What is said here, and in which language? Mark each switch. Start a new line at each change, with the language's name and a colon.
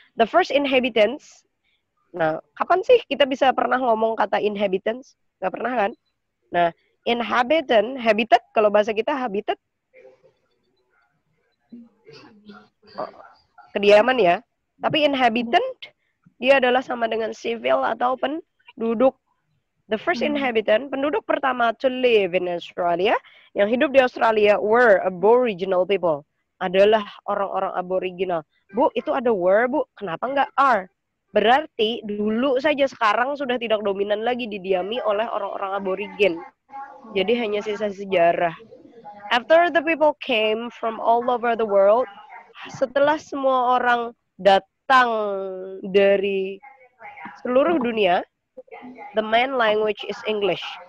English: The first inhabitants.
Indonesian: Nah, kapan sih kita bisa pernah ngomong kata inhabitants? Gak pernah kan? Nah, inhabitant, habitat, kalau bahasa kita habitat. Oh, kediaman ya. Tapi inhabitant, dia adalah sama dengan civil atau penduduk.
English: The first inhabitant,
Indonesian: penduduk pertama
English: to live in Australia,
Indonesian: yang hidup di Australia
English: were aboriginal people.
Indonesian: Adalah orang-orang aboriginal. Bu, itu ada were, bu. Kenapa enggak are? Berarti dulu saja, sekarang sudah tidak dominan lagi, didiami oleh orang-orang aborigin. Jadi hanya sisa sejarah.
English: After the people came from all over the world,
Indonesian: setelah semua orang datang dari seluruh dunia,
English: the main language is English.